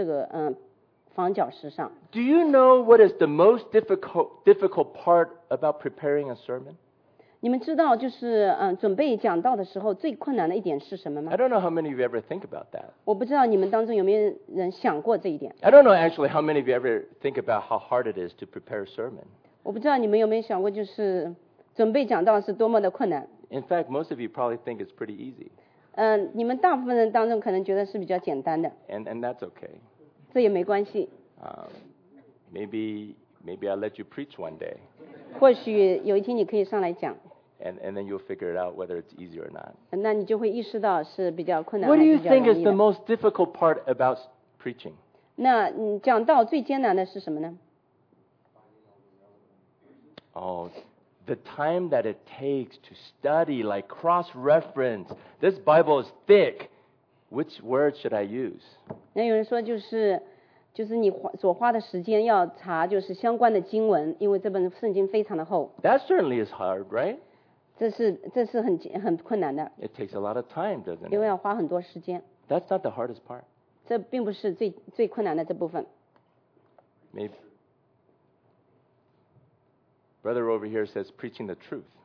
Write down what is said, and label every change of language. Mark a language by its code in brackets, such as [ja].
[zh] 所以这些使徒和先知一定要就是讲神的话语，把神的话语建造在这个房角石上。 [en] Do you know what is the most difficult part about preparing a sermon? [zh] 你们知道就是准备讲道的时候最困难的一点是什么吗? [en] I don't know how many of you ever think about that. [zh] 我不知道你们当中有没有人想过这一点。 [en] I don't know actually how many of you ever think about how hard it is to prepare a sermon. [zh] 我不知道你们有没有想过就是准备讲道是多么的困难。 [en] In fact, most of you probably think it's pretty easy. [zh] 你们大部分人当中可能觉得是比较简单的。 [en] And that's okay. [zh] 这也没关系。 [en] Maybe I'll let you preach one day. [zh] 或许有一天你可以上来讲。 [en] And then you'll figure it out whether it's easy or not. [zh] 那你就会意识到是比较困难。 [en] What do you think is the most difficult part about preaching? [zh] 那讲道最艰难的是什么呢? [en] Oh, the time that it takes to study, like cross-reference. This Bible is thick. Which word should I use? [zh] 那有人说就是你所花的时间要查就是相关的经文，因为这本圣经非常的厚。 [en] That certainly is hard, right? [zh] 这是很困难的。 [en] It takes a lot of time, doesn't it? [zh] 因为要花很多时间。 [en] That's not the hardest part. [zh] 这并不是最困难的这部分。 [en] Maybe. Brother over here says preaching the truth.